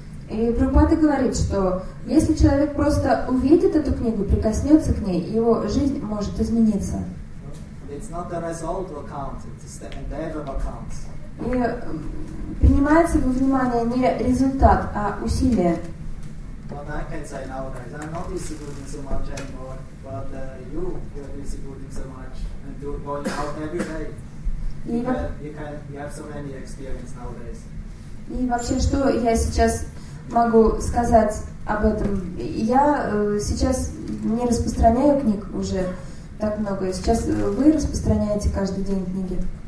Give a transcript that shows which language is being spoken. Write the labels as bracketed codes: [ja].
[ru] И Прабхупада говорит, что если человек просто увидит эту книгу, прикоснется к ней, его жизнь может измениться. [en] It's not the result that counts, it's the endeavor that counts. [ru] И принимается во внимание не результат, а усилие. [en] But I can say nowadays, I'm not distributing so much anymore, but you are distributing so much, and you're going out every day. You have so many experience nowadays. [ru] И вообще, что я сейчас могу сказать об этом? Я сейчас не распространяю книг уже. Так много. Сейчас вы распространяете каждый день книги.